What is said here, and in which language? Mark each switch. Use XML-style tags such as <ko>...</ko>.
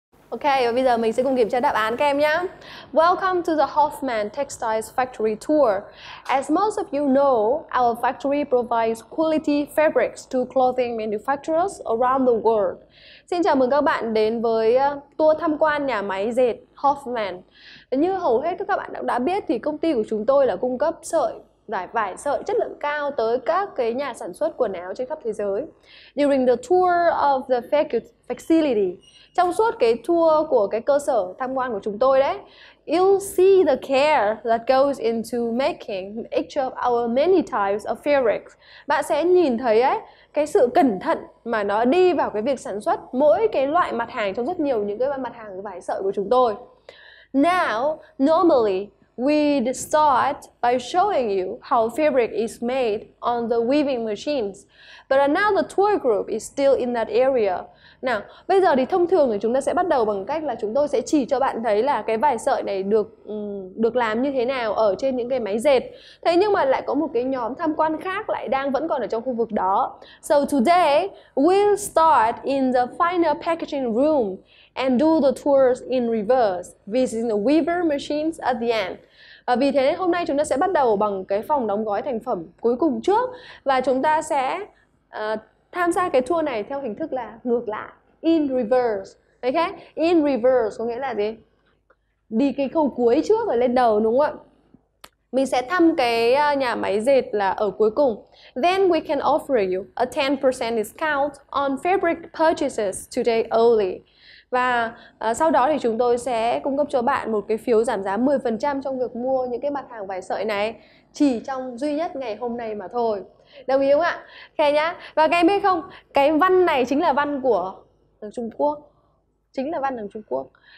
<vi>Ok, và bây giờ mình sẽ cùng kiểm tra đáp án các em nhé.</vi> <en>Welcome to the Hoffman Textiles Factory Tour. As most of you know, our factory provides quality fabrics to clothing manufacturers around the world.</en> <vi>Xin chào mừng các bạn đến với tour tham quan nhà máy dệt Hoffman. Như hầu hết các bạn đã biết thì công ty của chúng tôi là cung cấp sợi, vải sợi chất lượng cao tới các cái nhà sản xuất quần áo trên khắp thế giới.</vi> <en>During the tour of the facility,</en> <vi>trong suốt cái tour của cái cơ sở tham quan của chúng tôi đấy,</vi> <en>you'll see the care that goes into making each of our many types of fabrics.</en> <vi>Bạn sẽ nhìn thấy ấy, cái sự cẩn thận mà nó đi vào cái việc sản xuất mỗi cái loại mặt hàng trong rất nhiều những cái mặt hàng vải sợi của chúng tôi.</vi> <en>Now, normally, we'd start by showing you how fabric is made on the weaving machines. But another tour group is still in that area.</en> <vi>Nào, bây giờ thì thông thường thì chúng ta sẽ bắt đầu bằng cách là chúng tôi sẽ chỉ cho bạn thấy là cái vải sợi này được làm như thế nào ở trên những cái máy dệt. Thế nhưng mà lại có một cái nhóm tham quan khác lại đang vẫn còn ở trong khu vực đó.</vi> <en>So today, we'll start in the final packaging room and do the tours in reverse, visiting the weaver machines at the end.</en> <vi>Và vì thế hôm nay chúng ta sẽ bắt đầu bằng cái phòng đóng gói thành phẩm cuối cùng trước, và chúng ta sẽ tham gia cái tour này theo hình thức là ngược lại, in reverse. Ok, in reverse có nghĩa là gì? Đi cái khâu cuối trước và lên đầu, đúng không ạ? Mình sẽ thăm cái nhà máy dệt là ở cuối cùng.</vi> <en>Then we can offer you a 10% discount on fabric purchases today only.</en> <vi>Và sau đó thì chúng tôi sẽ cung cấp cho bạn một cái phiếu giảm giá 10% trong việc mua những cái mặt hàng vải sợi này chỉ trong duy nhất ngày hôm nay mà thôi. Đồng ý không ạ? Ok nhá. Và các em biết không, cái văn này chính là văn của Trung Quốc. Chính là văn của Trung Quốc.</vi>